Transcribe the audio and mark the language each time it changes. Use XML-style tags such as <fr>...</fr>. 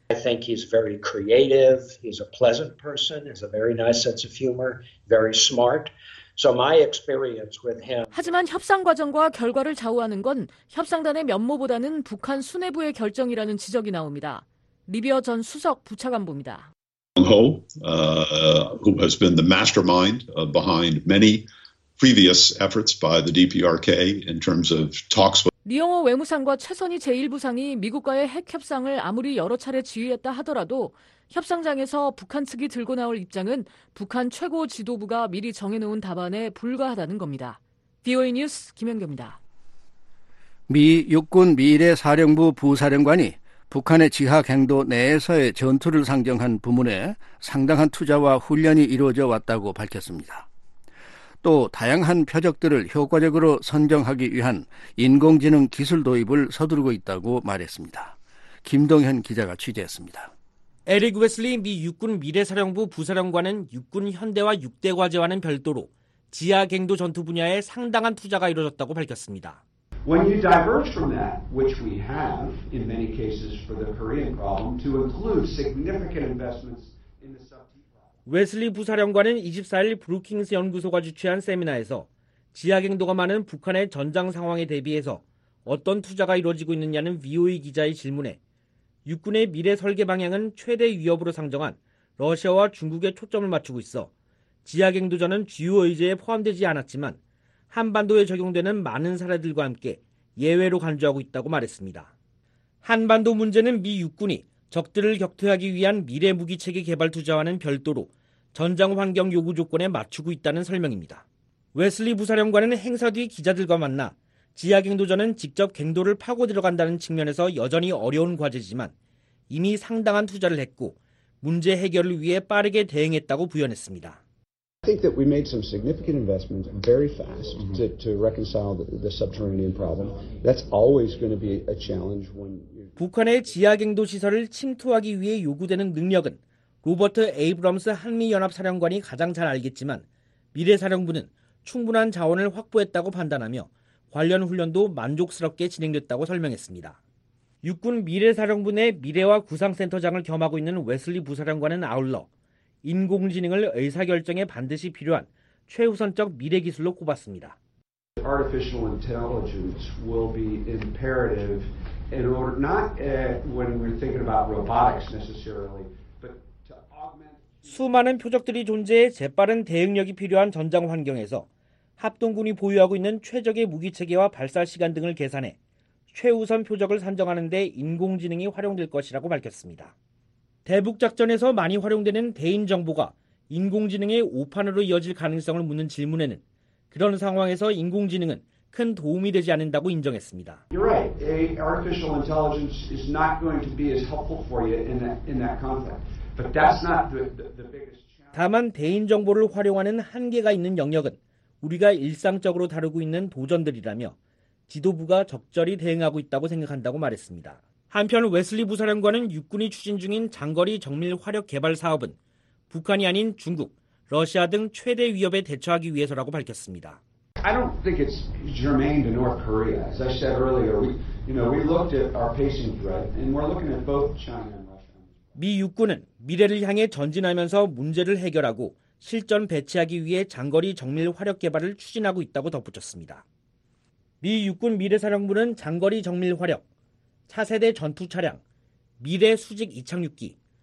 <en>I think he's very creative. He's a pleasant person. He has a very nice sense of humor. Very smart. So my experience with him.</en> <ko>하지만 협상 과정과 결과를 좌우하는 건 협상단의 면모보다는 북한 수뇌부의 결정이라는 지적이 나옵니다. 리비어 전 수석 부차관부입니다.</ko> <en>Ho, who has been the mastermind behind many previous efforts by the DPRK in terms of talks with.</en> <ko>리영호 외무상과 최선희 제1부상이 미국과의 핵 협상을 아무리 여러 차례 지휘했다 하더라도 협상장에서 북한 측이 들고 나올 입장은 북한 최고 지도부가 미리 정해놓은 답안에 불과하다는 겁니다. VOA 뉴스 김연경입니다. 미 육군 미래사령부 부사령관이 북한의 지하갱도 내에서의 전투를 상정한 부문에 상당한 투자와 훈련이 이루어져 왔다고 밝혔습니다. 또 다양한 표적들을 효과적으로 선정하기 위한 인공지능 기술 도입을 서두르고 있다고 말했습니다. 김동현 기자가 취재했습니다. 에릭 웨슬리 미 육군 미래사령부 부사령관은 육군 현대화 6대 과제와는 별도로 지하갱도 전투 분야에 상당한 투자가 이루어졌다고 밝혔습니다.</ko> <en>When you diverge from that, which we have in many cases for the Korean problem, to include significant investments in the sub.</en> <ko>웨슬리 부사령관은 24일 브루킹스 연구소가 주최한 세미나에서 지하갱도가 많은 북한의 전장 상황에 대비해서 어떤 투자가 이루어지고 있느냐는 VOA 기자의 질문에 육군의 미래 설계 방향은 최대 위협으로 상정한 러시아와 중국에 초점을 맞추고 있어 지하갱도전은 주요 의제에 포함되지 않았지만 한반도에 적용되는 많은 사례들과 함께 예외로 간주하고 있다고 말했습니다. 한반도 문제는 미 육군이 적들을 격퇴하기 위한 미래 무기체계 개발 투자와는 별도로 전장 환경 요구 조건에 맞추고 있다는 설명입니다. 웨슬리 부사령관은 행사 뒤 기자들과 만나 지하갱도전은 직접 갱도를 파고 들어간다는 측면에서 여전히 어려운 과제지만 이미 상당한 투자를 했고 문제 해결을 위해 빠르게 대응했다고 부연했습니다.</ko> <en>I think that we made some significant investments very fast to reconcile the subterranean problem. That's always going to be a challenge when.</en> <ko>북한의 지하갱도 시설을 침투하기 위해 요구되는 능력은 로버트 에이브럼스 한미연합사령관이 가장 잘 알겠지만 미래사령부는 충분한 자원을 확보했다고 판단하며 관련 훈련도 만족스럽게 진행됐다고 설명했습니다. 육군 미래사령부 내 미래와 구상센터장을 겸하고 있는 웨슬리 부사령관은 아울러 인공지능을 의사결정에 반드시 필요한 최우선적 미래 기술로 꼽았습니다.</ko> <en>Artificial intelligence will be imperative. In order, not when we're thinking about robotics necessarily, but to augment.</en> <ko>수많은 표적들이 존재해 재빠른 대응력이 필요한 전장 환경에서 합동군이 보유하고 있는 최적의 무기 체계와 발사 시간 등을 계산해 최우선 표적을 산정하는 데 인공지능이 활용될 것이라고 밝혔습니다. 대북 작전에서 많이 활용되는 대인 정보가 인공지능의 오판으로 이어질 가능성을 묻는 질문에는 그런 상황에서 인공지능은 큰 도움이 되지 않는다고 인정했습니다.</ko> <en>You're right. Artificial intelligence is not going to be as helpful for you in that context. But that's not the biggest challenge.</en> <ko>다만 대인 정보를 활용하는 한계가 있는 영역은 우리가 일상적으로 다루고 있는 도전들이라며 지도부가 적절히 대응하고 있다고 생각한다고 말했습니다. 한편 웨슬리 부사령관은 육군이 추진 중인 장거리 정밀 화력 개발 사업은 북한이 아닌 중국, 러시아 등 최대 위협에 대처하기 위해서라고 밝혔습니다.</ko> <en>I don't think it's germane to North Korea. As I said earlier, we looked at our pacing threat and we're looking at both China and Russia.</en> <ko>미 육군은 미래를 향해 전진하면서 문제를 해결하고 실전 배치하기 위해 장거리 정밀 화력 개발을 추진하고 있다고 덧붙였습니다. 미 육군 미래사령부는 장거리 정밀 화력, 차세대 전투 차량, 미래 수직 이착륙기,</ko>